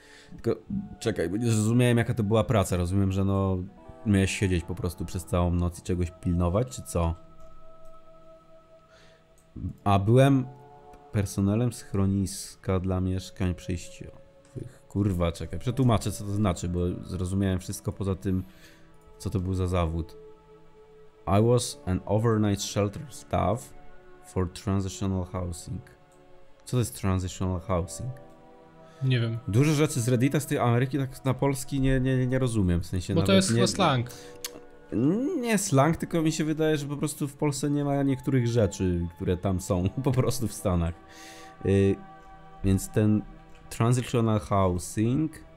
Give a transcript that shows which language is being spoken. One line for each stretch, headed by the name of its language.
Polish: Tylko czekaj, bo nie zrozumiałem, jaka to była praca. Rozumiem, że no miałeś siedzieć po prostu przez całą noc i czegoś pilnować, czy co? A byłem personelem schroniska dla mieszkań przejściowych. Kurwa, czekaj, przetłumaczę, co to znaczy, bo zrozumiałem wszystko poza tym, co to był za zawód.
English: I was an overnight shelter staff for transitional housing.
Polish: Co to jest transitional housing? Nie wiem. Dużo rzeczy z Reddita, z tej Ameryki, tak na polski nie rozumiem. W sensie bo nawet to jest chyba slang. Nie slang, tylko mi się wydaje, że po prostu w Polsce nie ma niektórych rzeczy, które tam są, po prostu w Stanach. Więc ten transitional housing...